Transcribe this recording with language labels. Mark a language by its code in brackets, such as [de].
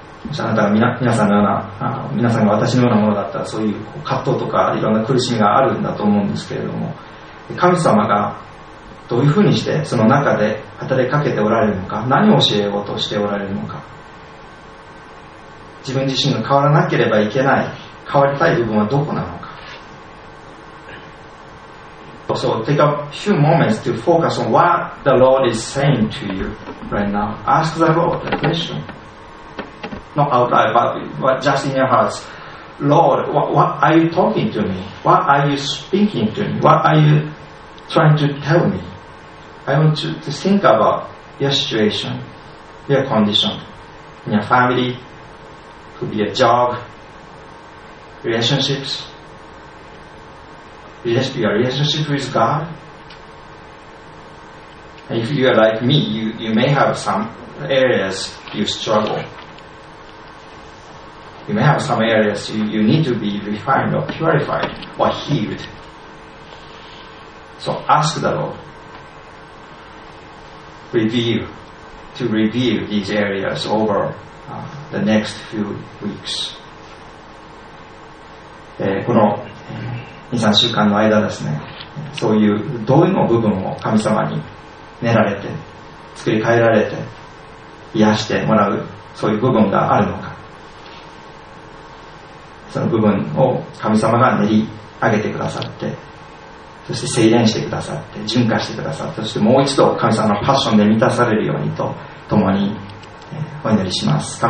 [ja] もしあなたが皆さんのような、皆さんが私のようなものだったら、そういう葛藤とかいろんな苦しみがあるんだと思うんですけれども、神様がどういうふうにしてその中で働きかけておられるのか、何を教えようとしておられるのか、自分自身が変わらなければいけない、変わりたい部分はどこなのか。 [en] So take a few moments to focus on what the Lord is saying to you right now. Ask the Lord the question. Not out loud, but just in your hearts. Lord, what are you talking to me? What are you speaking to me? What are you trying to tell me? I want to think about your situation, your condition, in your family,could be a job, relationships, your relationship with God. And if you are like me, you may have some areas you struggle. You may have some areas you need to be refined or purified or healed. So ask the Lord to reveal these areas over. The next few weeks. [ja] この 2,3 週間の間ですね、そういう道具の部分を神様に練られて作り変えられて癒してもらう、そういう部分があるのか、その部分を神様が練り上げてくださって、そして精錬してくださって、純化してくださって、そしてもう一度神様のパッションで満たされるようにと共にお祈りします。